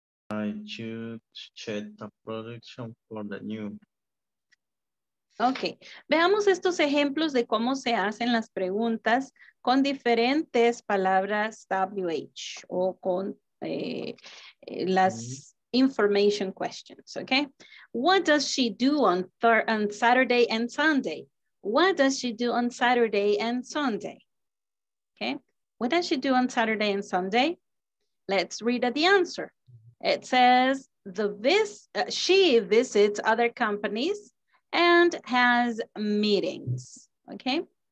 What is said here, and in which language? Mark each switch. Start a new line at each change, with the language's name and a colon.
Spanish: I choose check the production for the new. Okay, veamos estos ejemplos de cómo se hacen las preguntas con diferentes palabras WH o con las information questions, okay?
English: What does she do on Saturday and Sunday? What does she do on Saturday and Sunday? Okay, what does she do on Saturday and Sunday? Let's read the answer. It says she visits other companies and has meetings. Okay.